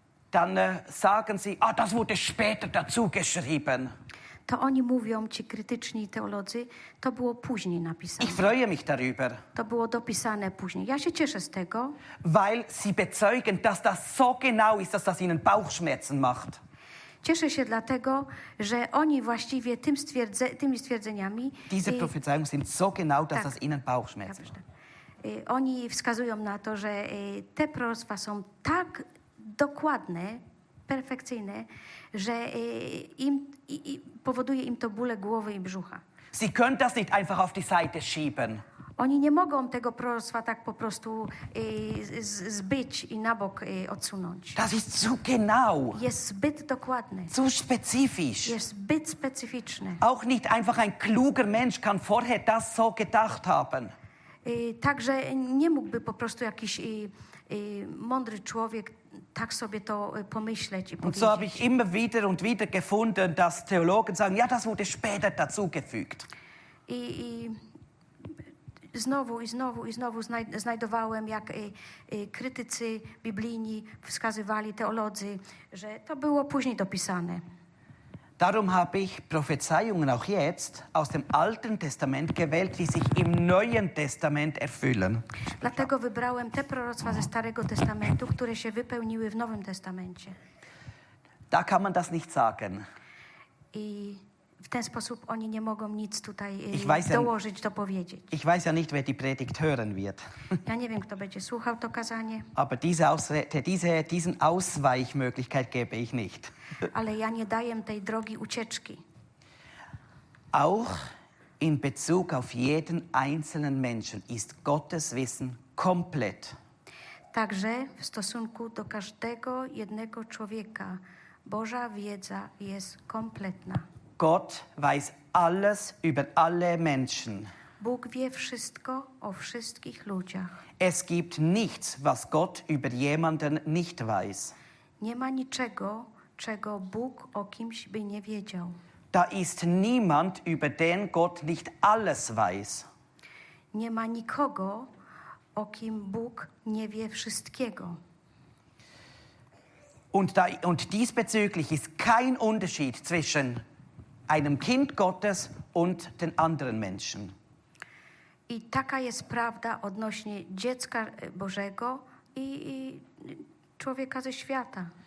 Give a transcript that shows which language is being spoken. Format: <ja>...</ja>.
<de>Dann sagen sie, ah, das wurde später dazu geschrieben.</de> <pl>To oni mówią, ci krytyczni teolodzy, to było później napisane.</pl> <de>Ich freue mich darüber.</de> <pl>To było dopisane później. Ja się cieszę z tego.</pl> <de>Weil sie bezeugen, dass das so genau ist, dass das ihnen Bauchschmerzen macht.</de> <pl>Cieszę się dlatego, że oni właściwie tymi stwierdzeniami...</pl> <de>Diese Prophezeiungen sind so genau, dass das ihnen Bauchschmerzen macht.</de> <pl>Oni wskazują na to, że te proroctwa są tak dokładne, perfekcyjne, że im... powoduje im to bóle głowy i brzucha.</pl> <de>Sie können das nicht einfach auf die Seite schieben.</de> <pl>Oni nie mogą tego proroctwa tak po prostu zbyć i na bok odsunąć.</pl> <de>Das ist zu genau.</de> <pl>Jest zbyt dokładny.</pl> <de>Zu spezifisch.</de> <pl>Jest zbyt specyficzny.</pl> <de>Auch nicht einfach ein kluger Mensch kann vorher das so gedacht haben.</de> <pl>Także nie mógłby po prostu jakiś mądry człowiek tak sobie to pomyśleć i powiedzieć.</pl> <de>Und so habe ich immer wieder und wieder gefunden, dass Theologen sagen, ja, das wurde später dazugefügt.</de> <pl>I znowu, i znowu, i znowu znajdowałem, jak krytycy biblijni wskazywali, teolodzy, że to było później dopisane.</pl> <de>Darum habe ich Prophezeiungen auch jetzt aus dem Alten Testament gewählt, die sich im Neuen Testament erfüllen.</de> <pl>Dlatego wybrałem te proroctwa ze Starego Testamentu, które się wypełniły w Nowym Testamencie.</pl> <de>Da kann man das nicht sagen.</de> <pl>I w ten sposób oni nie mogą nic tutaj dołożyć, dopowiedzieć.</pl> <de>Ich weiß ja nicht, wer die Predigt hören wird.</de> <pl>Ja nie wiem, kto będzie słuchał to kazanie.</pl> <de>Aber diesen Ausweichmöglichkeit gebe ich nicht.</de> <pl>Ale ja nie daję tej drogi ucieczki.</pl> <de>Auch in Bezug auf jeden einzelnen Menschen ist Gottes Wissen komplett.</de> <pl>Także w stosunku do każdego jednego człowieka Boża wiedza jest kompletna.</pl> <de>Gott weiß alles über alle Menschen.</de> <pl>Bóg wie wszystko o wszystkich ludziach.</pl> <de>Es gibt nichts, was Gott über jemanden nicht weiß.</de> <pl>Nie ma niczego, czego Bóg o kimś by nie wiedział.</pl> <de>Da ist niemand, über den Gott nicht alles weiß.</de> <pl>Nie ma nikogo, o kim Bóg nie wie wszystkiego.</pl> <de>Und diesbezüglich ist kein Unterschied zwischen einem Kind Gottes und den anderen Menschen.</de> <pl>I taka jest prawda odnośnie dziecka Bożego i człowieka ze świata.</pl>